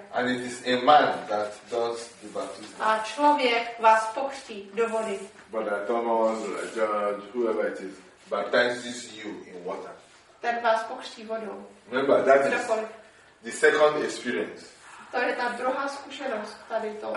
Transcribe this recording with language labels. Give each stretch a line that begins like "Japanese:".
English: And it is a man that does the baptism.
Czech: A člověk vás pokřtí do vody.
English: But that Thomas, John, whoever it is, baptizes you in water.
Czech: Ten vás pokřtí vodou.
English: Remember, that is the second experience.
Czech: To je ta druhá zkušenost tady to.